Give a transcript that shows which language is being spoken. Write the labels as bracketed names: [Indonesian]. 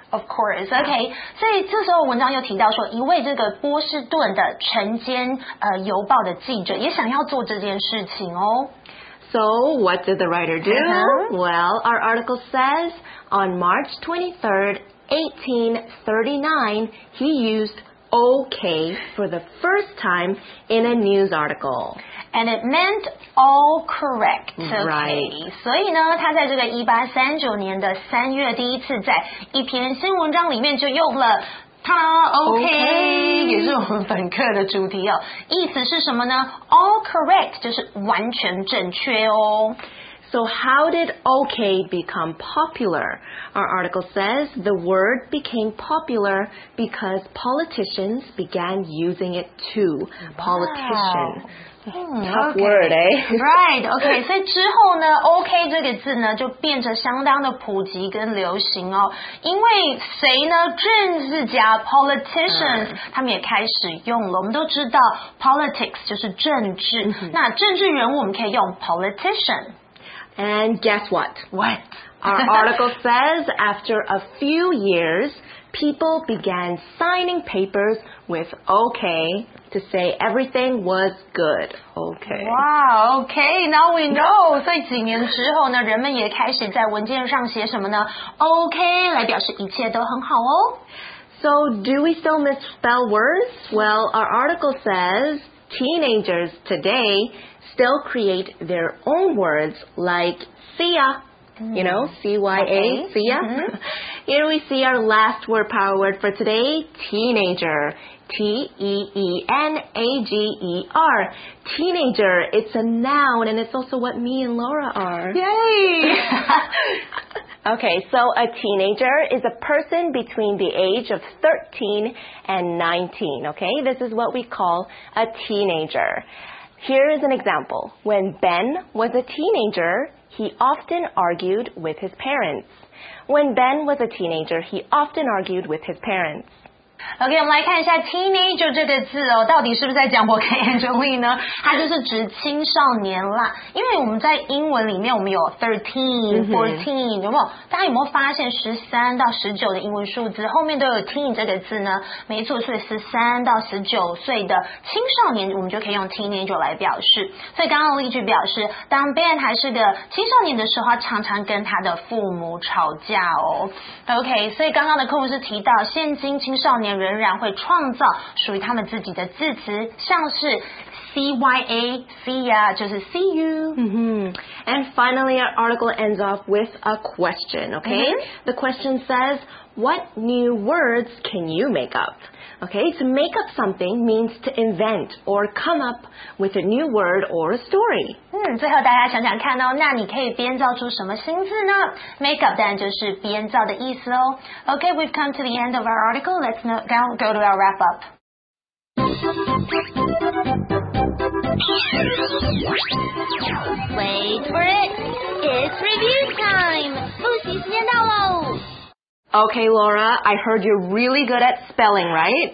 [English] Of course, okay. [Chinese] 所以这时候文章又提到说，一位这个波士顿的晨间邮报的记者也想要做这件事情哦。 [English] So what did the writer do? Well, our article says, on March 23rd, 1839, he used okay for the first time in a news article. And it meant all correct, okay. Right. [Chinese] 所以呢，他在这个1839年的3月第一次在一篇新文章里面就用了 [English] okay, [Chinese] 也是我们本课的主题哦。意思是什么呢？All correct 就是完全正确哦。 [English] So how did OK become popular? Our article says the word became popular because politicians began using it too. Politician. Tough word, eh? Right, OK. [Chinese] 所以之后呢 OK 这个字呢就变成相当的普及跟流行哦。因为谁呢政治家 politicians,、嗯、他们也开始用了。我们都知道 politics 就是政治、嗯。那政治人物我们可以用 politician。 [English] And guess what? What? Our article says after a few years, people began signing papers with OK to say everything was good. OK. Wow, OK, now we know. [Chinese] 所以几年之后呢，人们也开始在文件上写什么呢 ?OK, 来表示一切都很好哦。 [English] So do we still misspell words? Well, our article says teenagers today... still create their own words like see ya, you know, C-Y-A, see ya. Here we see our last word, power word for today, teenager, T-E-E-N-A-G-E-R. Teenager, it's a noun and it's also what me and Laura are. Yay! Okay, so a teenager is a person between the age of 13 and 19, okay? This is what we call a teenager. Here is an example. When Ben was a teenager, he often argued with his parents. When Ben was a teenager, he often argued with his parents. [Chinese] OK, 我们来看一下 teenager 这个字哦，到底是不是在讲我跟 Angelina 呢？它就是指青少年啦。因为我们在英文里面我们有 13, 14, 有没有？大家有没有发现13到19的英文数字后面都有 teen 这个字呢？没错，所以13到19岁的青少年我们就可以用 teenager 来表示。所以刚刚例句表示，当 Ben 还是个青少年的时候，他常常跟他的父母吵架哦。 OK, 所以刚刚的课文是提到现今青少年仍然会创造属于他们自己的字词，像是 CYA, see ya, 就是 see you.、 Mm-hmm. [English] And finally, our article ends off with a question, okay?、Mm-hmm. The question says, what new words can you make up? Okay, to make up something means to invent or come up with a new word or a story.、 Mm-hmm. [Chinese] 最后大家想想看哦，那你可以编造出什么新字呢？ Make up 当然就是编造的意思哦。 [English] Okay, we've come to the end of our article. Let's now go to our wrap up. Wait for it. It's review time. [Chinese] 复习时间到喽。 [English] Okay, Laura, I heard you're really good at spelling, right?